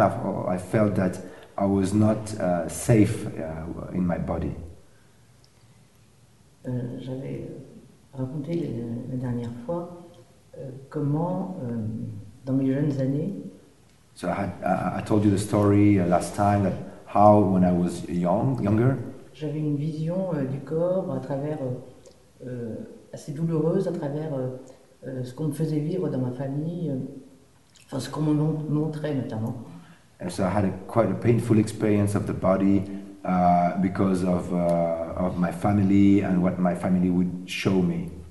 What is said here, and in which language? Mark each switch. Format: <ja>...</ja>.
<en>I felt that I was not safe in my body.</en> <fr>J'avais raconté la dernière fois comment, dans mes jeunes années,</fr> <en>so I told you the story last time that how when I was younger,</en> <fr>j'avais une vision du corps à travers assez douloureuse à travers ce qu'on me faisait vivre dans ma famille, enfin ce qu'on me montrait notamment.</fr> <en>And so I had quite a painful experience of the body. Because of my family and what my family would show me.</en>